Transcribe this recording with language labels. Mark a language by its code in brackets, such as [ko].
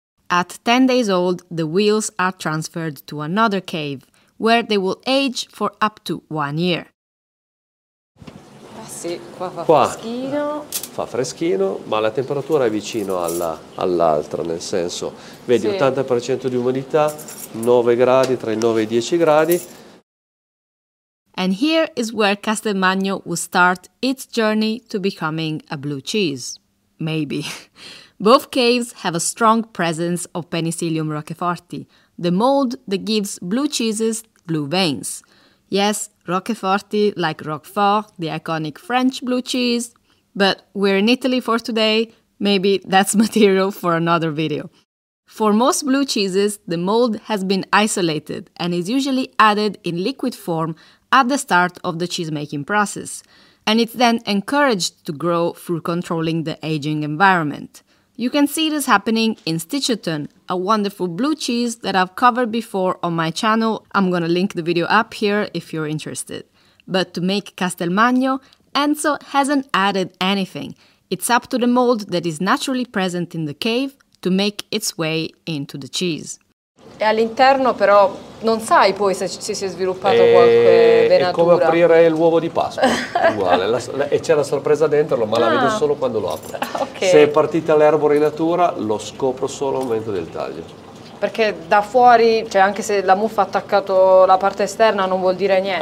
[en] At 10 days old, the wheels are transferred to another cave, where they will age for up to 1 year. [it] Ah sì, qua fa freschino. Fa freschino, ma la temperatura è vicino all'altra, nel senso, vedi, sì. 80% di umidità, 9 gradi, tra i 9 e i 10 gradi. [en] And here is where Castelmagno will start its journey to becoming a blue cheese. Maybe. Both caves have a strong presence of Penicillium roqueforti, the mold that gives blue cheeses blue veins. Yes, roqueforti like Roquefort, the iconic French blue cheese. But we're in Italy for today, maybe that's material for another video. For most blue cheeses, the mold has been isolated and is usually added in liquid form at the start of the cheesemaking process, and it's then encouraged to grow through controlling the aging environment. You can see this happening in Stichoton, a wonderful blue cheese that I've covered before on my channel. I'm gonna link the video up here if you're interested. But to make Castelmagno, Enzo hasn't added anything. It's up to the mold that is naturally present in the cave to make its way into the cheese. [it] E all'interno però non sai poi se ci si è sviluppato qualche venatura. È come aprire l'uovo di Pasqua, uguale, e c'è la sorpresa dentro, ma la vedo solo quando lo apro. Okay. Se è partita l'erborinatura lo scopro solo al momento del taglio. Perché da fuori, cioè anche se la muffa ha attaccato la parte esterna non vuol dire niente.